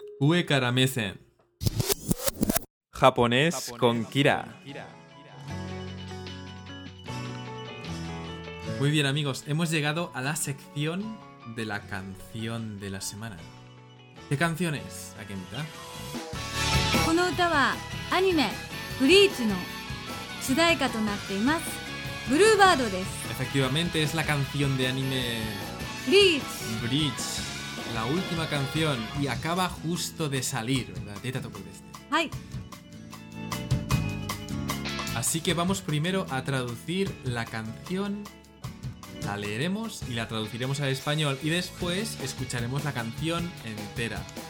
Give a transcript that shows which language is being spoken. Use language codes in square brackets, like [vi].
[es] Uekaramesen. Japonés con Kira. Muy bien, amigos. Hemos llegado a la sección de la canción de la semana. ¿Qué canción es, Akemita? [ja] この歌はアニメブリーチの主題歌となっています。ブルーバードです。 [es] Efectivamente, es la canción de anime Bleach. Bleach, la última canción, y acaba justo de salir, ¿verdad? [ja] Deta toku desu. Hai. [es] Así que vamos primero a traducir la canción, la leeremos y la traduciremos al español, y después escucharemos la canción entera.